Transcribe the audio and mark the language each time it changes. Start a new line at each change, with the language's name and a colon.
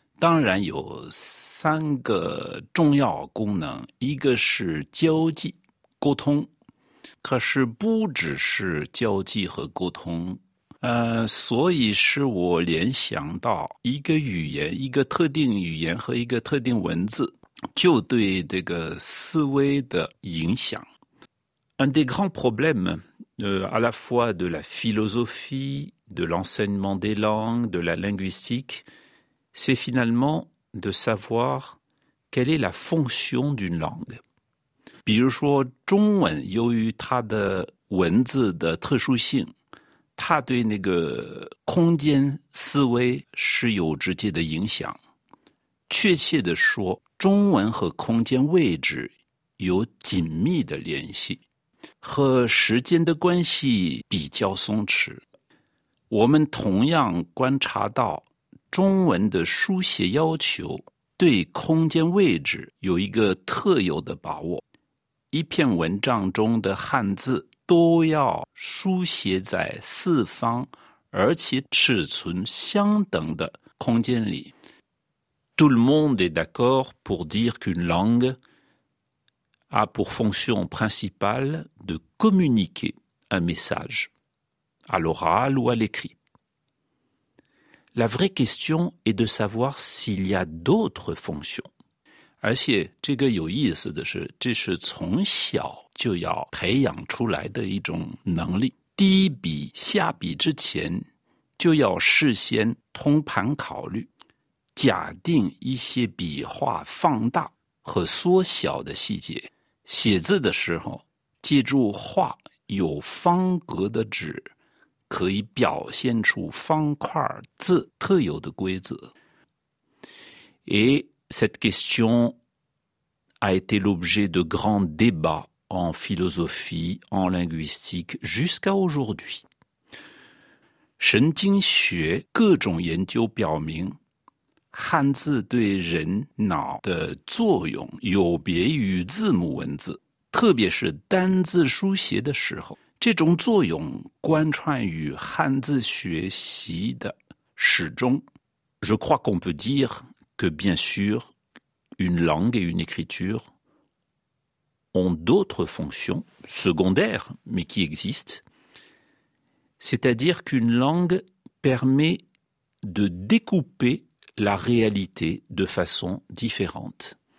Chinese: 当然有三个重要功能，一个是交际沟通，可是不只是交际和沟通，所以是我联想到一个语言一个特定语言和一个特定文字就对这个思维的影响。
French: Un des grands problèmes, à la fois de la philosophie, de l'enseignement des langues, de la linguistique, c'est finalement de savoir quelle est la fonction d'une langue.
Chinese: 比如说中文由于它的文字的特殊性，它对那个空间思维是有直接的影响。确切地说，中文和空间位置有紧密的联系，和时间的关系比较松弛。我们同样观察到，中文的书写要求对空间位置有一个特有的把握。一篇文章中的汉字都要书写在四方而且尺寸相等的空间里。
French: Tout le monde est d'accord pour dire qu'une langue a pour fonction principale de communiquer un message, à l'oral ou à l'écrit. La vraie question est de savoir s'il y a d'autres fonctions.
Chinese: 而且这个有意思的是，这是从小就要培养出来的一种能力。第一笔下笔之前，就要事先通盘考虑。假定一些笔画放大和缩小的细节，写字的时候借助画有方格的纸，可以表现出方块字特有的规则。
French: Et cette question a été l'objet de grands débats en philosophie, en linguistique jusqu'à aujourd'hui.
Chinese: 神经学各种研究表明，汉字对人脑的作用有别于字母文字，特别是单字书写的时候，这种作用贯穿于汉字学习的始终。
French: Je crois qu'on peut dire que bien sûr, une langue et une écriture ont d'autres fonctions secondaires, mais qui existent. C'est-à-dire qu'une langue permet de découperla réalité de façon différente.